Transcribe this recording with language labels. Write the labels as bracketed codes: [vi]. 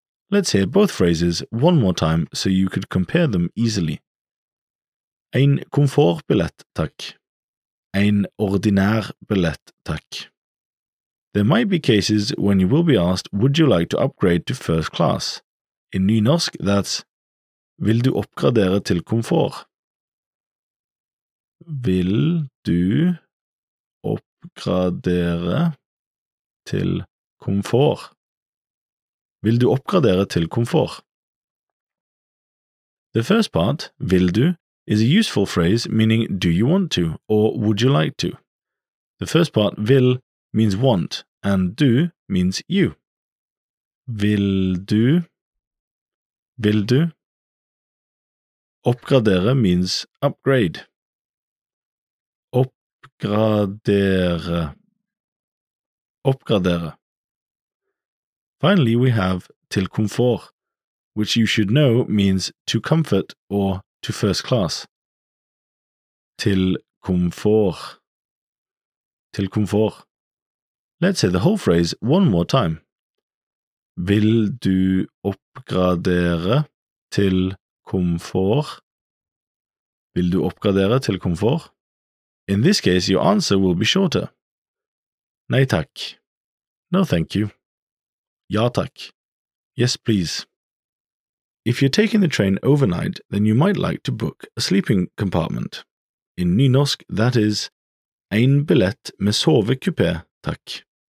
[en] Let's hear both phrases one more time so you could compare them easily. [no] En komfortbillett, takk. En ordinær billett, takk. [en] There might be cases when you will be asked, would you like to upgrade to first class? In Nynorsk, that's [no] Vil du oppgradere til komfort? Vil du oppgradere til komfort? Vil du oppgradere til komfort? [en] The first part, vil du, is a useful phrase meaning do you want to or would you like to. The first part, vil, means want and do means you. [no] Vil du, oppgradere [en] means upgrade. [no] Oppgradere, oppgradere. [en] Finally, we have [no] til komfort, [en] which you should know means to comfort or to first class. [no] Til komfort, til komfort. [en] Let's say the whole phrase one more time. [no] Vil du oppgradere til komfort? Vil du oppgradere til komfort? [en] In this case, your answer will be shorter. [no] Nei takk. [en] No thank you. [no] Ja takk. [en] Yes please. If you're taking the train overnight, then you might like to book a sleeping compartment. In Nynorsk, that is [no] en billett med sovekupé, takk.